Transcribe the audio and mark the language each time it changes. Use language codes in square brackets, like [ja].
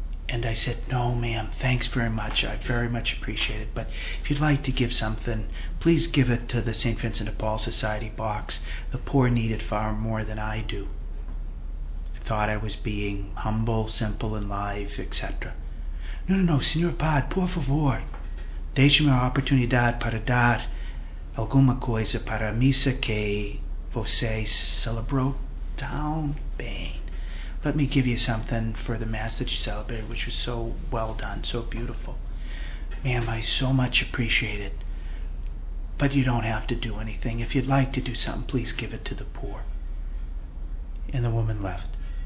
[en] And I said, "No, ma'am, thanks very much. I very much appreciate it. But if you'd like to give something, please give it to the St. Vincent de Paul Society box. The poor need it far more than I do." I thought I was being humble, simple in life, etc. [es] "No, no, no, Senor Padre, por favor. [pt] Deixe-me a oportunidade para dar alguma coisa para a missa que você celebrou tão bem. [en] Let me give you something for the Mass that you celebrated, which was so well done, so beautiful." "Ma'am, I so much appreciate it, but you don't have to do anything. If you'd like to do something, please give it to the poor." And the woman left.